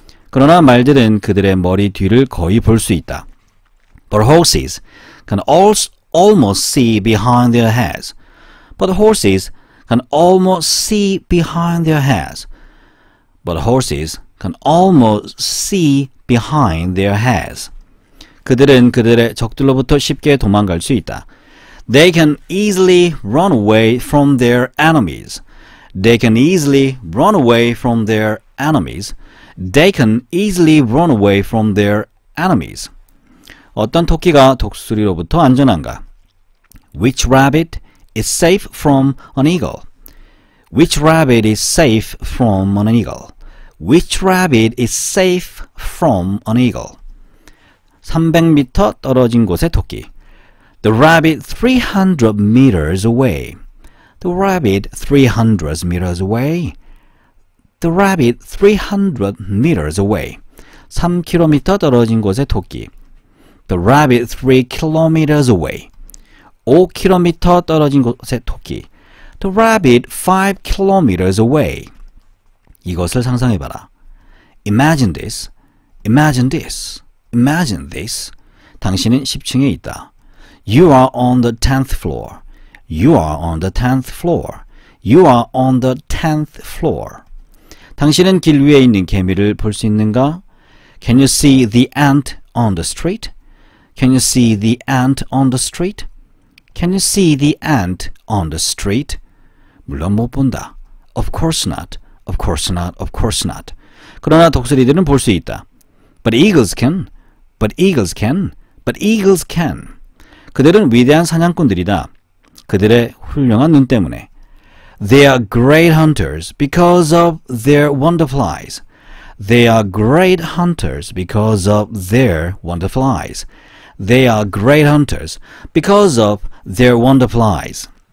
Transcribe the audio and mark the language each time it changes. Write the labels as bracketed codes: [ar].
[ko] 그러나 말들은 그들의 머리 뒤를 거의 볼 수 있다. [en] But horses can almost see behind their heads. But horses can almost see behind their heads. But horses can almost see behind their heads. [ko] 그들은 그들의 적들로부터 쉽게 도망갈 수 있다. [en] They can easily run away from their enemies. They can easily run away from their enemies. They can easily run away from their enemies. [ko] 어떤 토끼가 독수리로부터 안전한가? [en] Which rabbit is safe from an eagle? Which rabbit is safe from an eagle? Which rabbit is safe from an eagle? [ko] 300m 떨어진 곳의 토끼. [en] The rabbit 300 meters away. The rabbit 300 meters away. The rabbit 300 meters away. [ko] 3km 떨어진 곳의 토끼. [en] The rabbit 3 kilometers away. [ko] 5km 떨어진 곳의 토끼. [en] The rabbit 5 kilometers away. [ko] 이것을 상상해 봐라. [en] Imagine this. Imagine this. Imagine this. [ko] 당신은 10층에 있다. [en] You are on the 10th floor. You are on the 10th floor. You are on the 10th floor. [ko] 당신은 길 위에 있는 개미를 볼 수 있는가? [en] Can you see the ant on the street? Can you see the ant on the street? Can you see the ant on the street? [ko] 물론 못 본다. [en] Of course not. Of course not. Of course not. [ko] 그러나 독수리들은 볼 수 있다. [en] But eagles can. But eagles can. But eagles can. [ko] 그들은 위대한 사냥꾼들이다. 그들의 훌륭한 눈 때문에. [en] They are great hunters because of their wonderful eyes. They are great hunters because of their wonderful eyes. They are great hunters because of their wonderful eyes.